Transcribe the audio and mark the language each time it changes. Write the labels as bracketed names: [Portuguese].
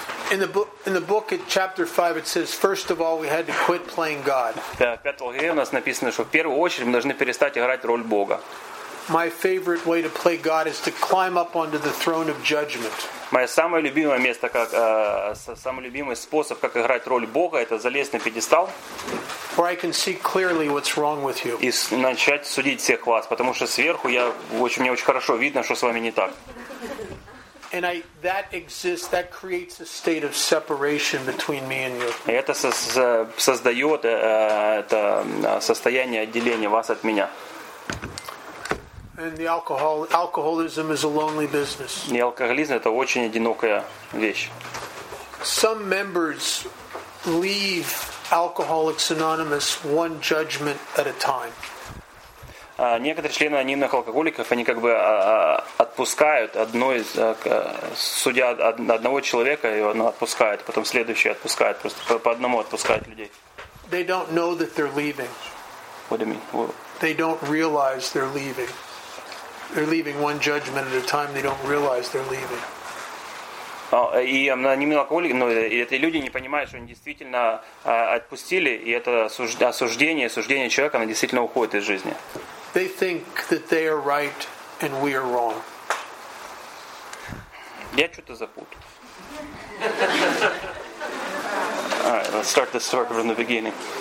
[English] In the book at chapter 5 it says first of all we had to quit playing God. [Russian] В пятой главе у нас написано, что в первую очередь мы должны перестать играть роль Бога. [English] My favorite way to play God is to climb up onto the throne of judgment. [Russian] Мое самое любимое место, как самый любимый способ, как играть роль Бога, это залезть на пьедестал. [English] Where I can see clearly what's wrong with you. [Russian] И начать судить всех вас, потому что сверху я очень мне очень хорошо видно, что с вами не так. [English] And I that exists that creates a state of separation between me and you. [Russian] И это создает это состояние отделения вас от меня. [English] And the alcoholism is a lonely business. [Russian] И алкоголизм — это очень одинокая вещь. [English] Some members leave Alcoholics Anonymous one judgment at a time. [Russian] Некоторые члены анонимных алкоголиков, они как бы отпускают судя одного человека, и он отпускает, потом следующий отпускает, просто по одному отпускает людей. [English] They don't know that they're leaving. What do you mean? What? They don't realize they're leaving. They're leaving one judgment at a time. They don't realize they're leaving. [Russian] И анонимные алкоголики, эти люди не понимают, что они действительно отпустили, и это осуждение человека, оно действительно уходит из жизни. [English] They think that they are right and we are wrong. [Russian] Я что-то запутал. [English] All right, let's start the story from the beginning.